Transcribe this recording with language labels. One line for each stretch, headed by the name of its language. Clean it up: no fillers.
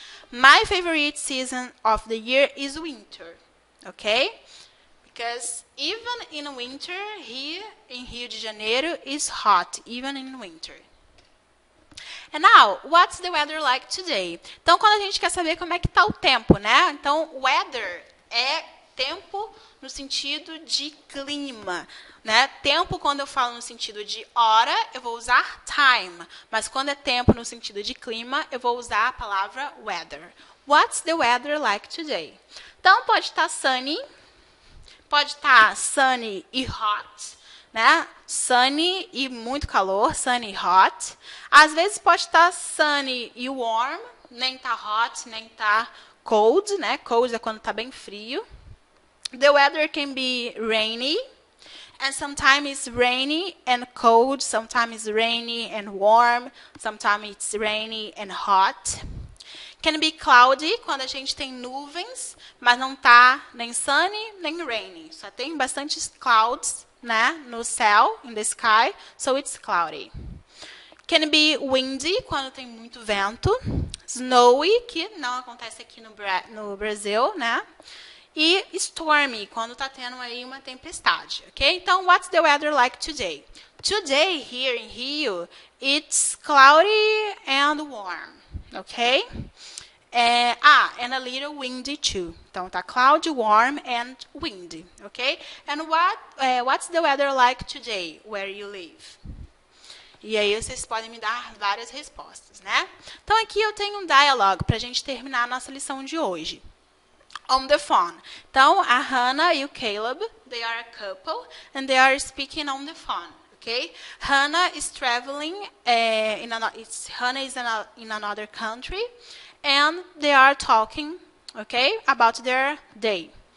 English: My favorite season of the year is winter, ok? Because even in winter, here in Rio de Janeiro, it's hot, even in winter. And now, what's the weather like today?
Portuguese: Então, quando a gente quer saber como é que está o tempo, né? Então, weather é tempo no sentido de clima, né? Tempo, quando eu falo no sentido de hora, eu vou usar time. Mas quando é tempo no sentido de clima, eu vou usar a palavra weather.
English: What's the weather like today?
Portuguese: Então, pode estar
English: sunny.
Portuguese: Pode estar sunny e hot, né? Sunny e muito calor, sunny e hot. Às vezes pode estar sunny e warm, nem tá hot, nem tá cold, né? Cold é quando tá bem frio.
English: The weather can be rainy, and sometimes it's rainy and cold, sometimes it's rainy and warm, sometimes it's rainy and hot. Can be cloudy,
Portuguese: quando a gente tem nuvens, mas não tá nem sunny, nem rainy. Só tem bastante clouds né? No céu,
English: in the sky, so it's cloudy. Can be windy,
Portuguese: quando tem muito vento. Snowy, que não acontece aqui no Brasil, né? E stormy, quando está tendo aí uma tempestade, ok? Então,
English: what's the weather like today? Today, here in Rio, it's cloudy and warm, ok? And a little windy too.
Portuguese: Então, tá
English: cloudy, warm and windy, ok? And what's the weather like today, where you live?
Portuguese: E aí, vocês podem me dar várias respostas, né? Então, aqui eu tenho um diálogo para a gente terminar a nossa lição de hoje.
English: On the phone.
Portuguese: Então, a Hannah e o Caleb,
English: they are a couple, and they are speaking on the phone, ok? Hannah is traveling, Hannah is in another country, and they are talking, ok, about their day.